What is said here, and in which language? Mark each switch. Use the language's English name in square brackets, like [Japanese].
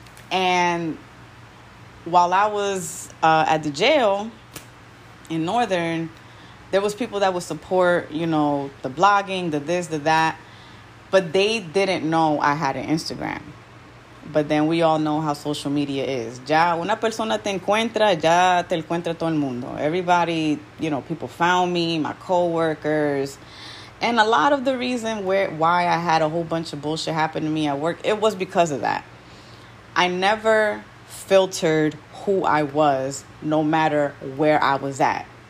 [English] And while I was at the jail in Northern, there was people that would support, you know, the blogging, the this, the that. But they didn't know I had an Instagram. But then we all know how social media is. [Spanish] Ya una persona te encuentra, ya te encuentra todo el mundo. [English] Everybody, you know, people found me, my coworkers. And a lot of the reason why I had a whole bunch of bullshit happen to me at work, it was because of that. I never filtered who I was, no matter where I was at.